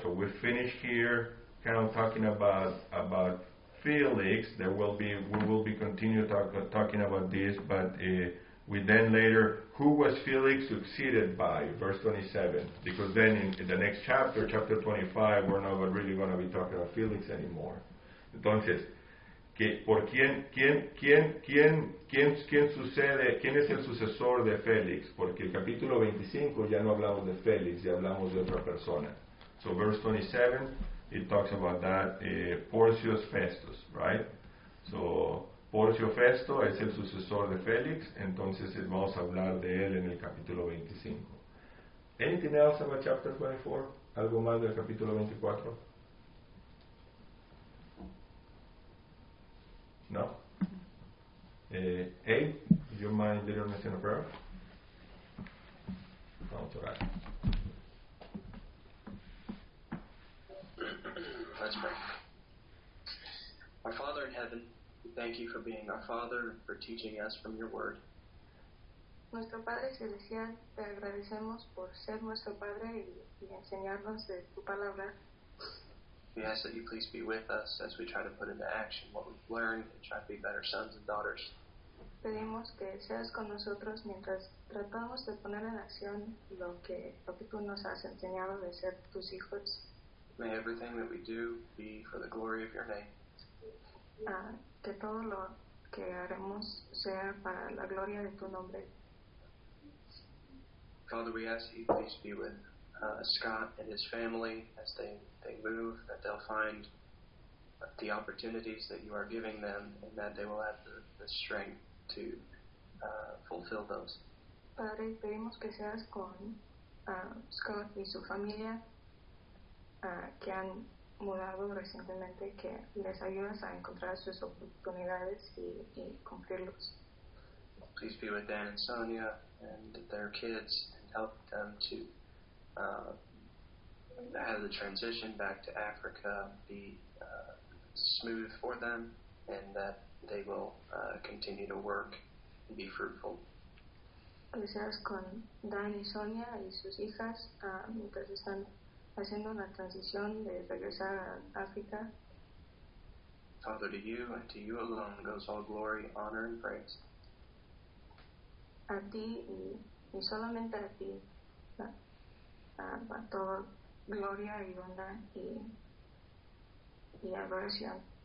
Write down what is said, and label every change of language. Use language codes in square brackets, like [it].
[en] So we finished here kind of talking about Felix. We will be continue talking about this, but... We then later, who was Felix succeeded by? Verse 27. Because then in the next chapter, chapter 25, we're not really going to be talking about Felix anymore. [es] Entonces, ¿por quién es el sucesor de Felix? Porque el capítulo 25 ya no hablamos de Felix, ya hablamos de otra persona. [en] So verse 27, it talks about that, Porcio Festus, right? So... [es] Porcio Festo es el sucesor de Félix, entonces vamos a hablar de él en el capítulo 25. [en] Anything else about chapter 24? [es] ¿Algo más del capítulo 24? [en] No? Abe, do you mind leading us in a prayer? No, it's all right. Let's pray. Our Father in heaven, thank you for being our Father and for teaching us from your word. [es] Nuestro Padre Celestial, te agradecemos por ser nuestro Padre y enseñarnos de tu palabra. [en] We ask that you please be with us as we try to put into action what we've learned and try to be better sons and daughters. [es] Pedimos que seas con nosotros mientras tratamos de poner en acción lo que tú nos has enseñado de ser tus hijos. [en] May everything that we do be for the glory of your name. [es] Que todo lo que haremos sea para la gloria de tu nombre. [en] Father, we ask that you please be with Scott and his family as they move, that they'll find the opportunities that you are giving them and that they will have the strength to fulfill those. [es] Padre, pedimos que seas con Scott y su familia que han mudado recientemente, que les ayudas a encontrar sus oportunidades y cumplirlos. [en] Please be with Dan and Sonia and their kids and help them to have the transition back to Africa be smooth for them, and that they will continue to work and be fruitful. [es] Deseas con Dan y Sonia y sus hijas mientras están haciendo la transición de regresar a África. [en] Father, to you and to you alone goes all glory, honor, and praise. [es] A ti y solamente a ti va toda gloria y bondad y adoración.